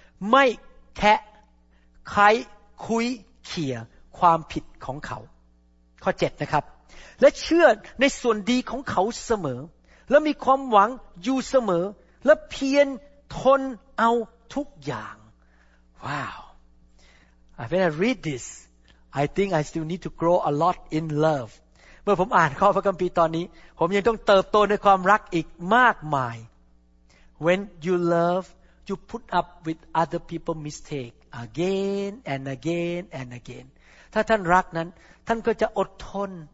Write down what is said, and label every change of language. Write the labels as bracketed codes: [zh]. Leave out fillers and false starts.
[th] ไม่แคะใครคุยเขี่ยความผิดของเขาข้อ7นะครับและเชื่อในส่วนดีของเขาเสมอและมีความหวังอยู่เสมอและเพียรทนเอาทุกอย่าง Wow. [en] When I read this, I think I still need to grow a lot in love. [th] เมื่อผมอ่านข้อพระคัมภีร์ตอนนี้ผมยังต้องเติบโตในความรักอีกมากมาย [en] When you love you put up with other people's mistake again and again [th] and again ถ้าท่านรักนั้นท่านก็จะอดทน